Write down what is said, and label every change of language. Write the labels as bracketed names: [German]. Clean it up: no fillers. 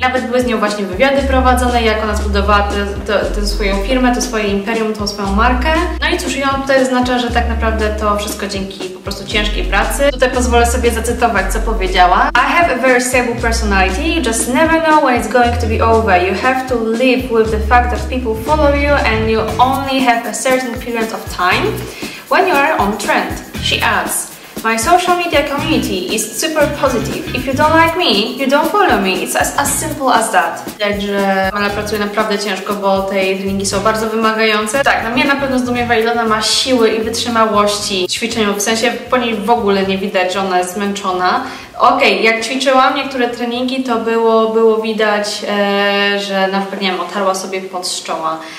[Polish] Nawet były z nią właśnie wywiady prowadzone, jak ona zbudowała tę swoją firmę, to swoje imperium, tą swoją markę. No i cóż, ją tutaj oznacza, że tak naprawdę to wszystko dzięki po prostu ciężkiej pracy. Tutaj pozwolę sobie zacytować, co powiedziała. [English] I have a very stable personality, you just never know when it's going to be over. You have to live with the fact that people follow you and you only have a certain period of time when you are on trend. She adds, my social media community is super positive. If you don't like me, you don't follow me. It's as simple as that. [Polish] Widać, że ona pracuje naprawdę ciężko, bo te treningi są bardzo wymagające. Tak, na mnie na pewno zdumiewa, ile ona ma siły i wytrzymałości ćwiczeniu. W sensie, po niej w ogóle nie widać, że ona jest zmęczona. Okej, okay, jak ćwiczyłam niektóre treningi, to było widać, że na przykład, nie wiem, otarła sobie pod z czoła.